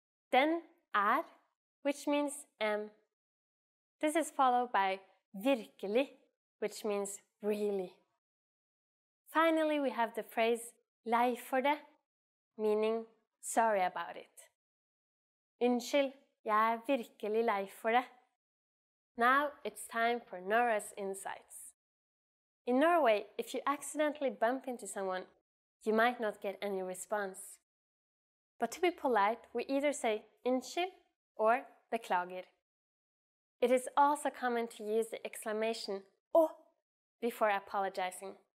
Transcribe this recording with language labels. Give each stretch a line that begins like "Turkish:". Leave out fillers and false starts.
English: Then, which means am. This is followed by virkelig, which means really. Finally, we have the phrase
Norwegian: lei for det,
English: meaning sorry about it.
Norwegian: Unnskyld, jeg virkelig lei for det.
English: Now it's time for Nora's insights. In Norway, if you accidentally bump into someone, you might not get any response. But to be polite, we either say unnskyld or beklager. It is also common to use the exclamation å before apologizing.